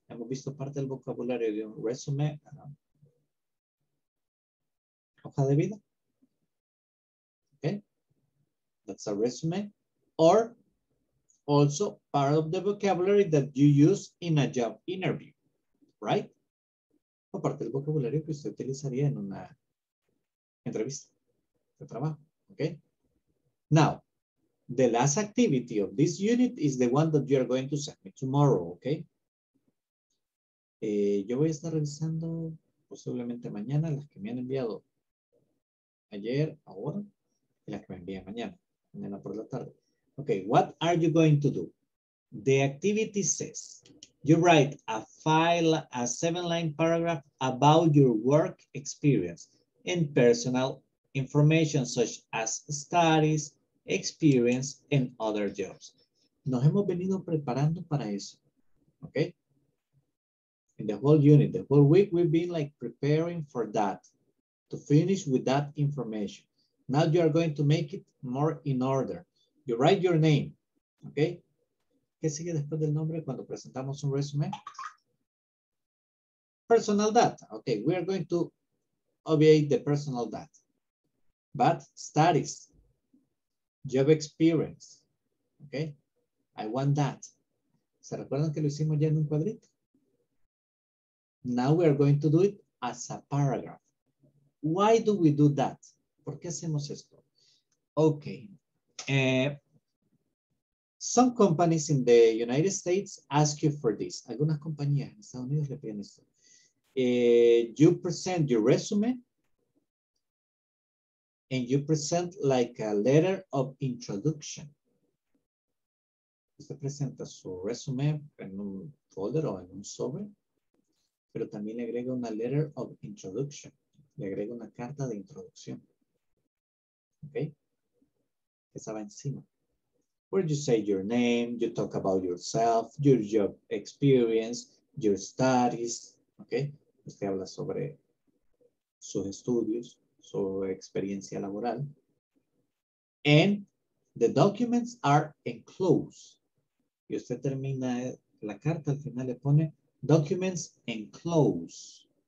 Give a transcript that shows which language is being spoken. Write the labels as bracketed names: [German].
[Spanish] Hemos visto parte del vocabulario de un resume. Hoja de vida. [English] Okay. That's a resume. Or also part of the vocabulary that you use in a job interview. Right? [Spanish] O parte del vocabulario que usted utilizaría en una entrevista de trabajo. [English] Okay. Now, the last activity of this unit is the one that you are going to send me tomorrow, okay? [Spanish] Yo voy a estar revisando posiblemente mañana las que me han enviado ayer, ahora, y las que me envían mañana, mañana por la tarde. [English] Okay, what are you going to do? The activity says, you write a 7-line paragraph about your work experience and personal information such as studies, experience and other jobs. [Spanish] Nos hemos venido preparando para eso, [English] okay? In the whole unit, the whole week, we've been like preparing for that, to finish with that information. Now you are going to make it more in order. You write your name, okay? [Spanish] ¿Qué sigue después del nombre cuando presentamos un resume? [English] Personal data, okay? We are going to obviate the personal data, but studies, job experience, okay? I want that. [Spanish] ¿Se recuerdan que lo hicimos ya en un cuadrito? [English] Now we are going to do it as a paragraph. Why do we do that? [Spanish] ¿Por qué hacemos esto? [English] Okay. Some companies in the United States ask you for this. [Spanish] Algunas compañías en Estados Unidos le piden esto. [English] You present your resume, and you present like a letter of introduction. [Spanish] Usted presenta su resume en un folder o en un sobre, pero también le agrega una [English] letter of introduction. [Spanish] Le agrega una carta de introducción. Okay? Esa va encima. [English] Where you say your name, you talk about yourself, your job experience, your studies. Okay? [Spanish] Usted habla sobre sus estudios, su experiencia laboral. [English] And the documents are enclosed. [Spanish] Y usted termina la carta, al final le pone [English] documents enclosed.